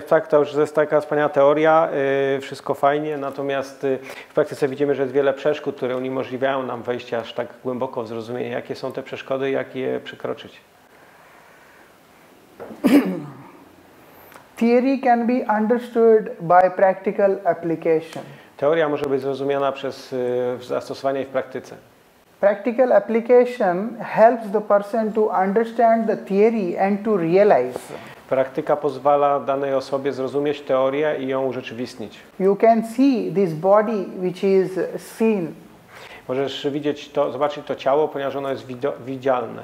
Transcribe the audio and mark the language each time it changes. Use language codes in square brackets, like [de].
[pl] To jest taka wspaniała teoria, wszystko fajnie, natomiast w praktyce widzimy, że jest wiele przeszkód, które uniemożliwiają nam wejście aż tak głęboko w zrozumienie, jakie są te przeszkody i jak je przekroczyć. [en] Theory can be understood by practical application. [pl] Teoria może być zrozumiana przez zastosowanie w praktyce. [en] Practical application helps the person to understand the theory and to realize. [pl] Praktyka pozwala danej osobie zrozumieć teorię i ją urzeczywistnić. [en] You can see this body which is seen. [pl] Możesz widzieć to, zobaczyć to ciało, ponieważ ono jest widzialne.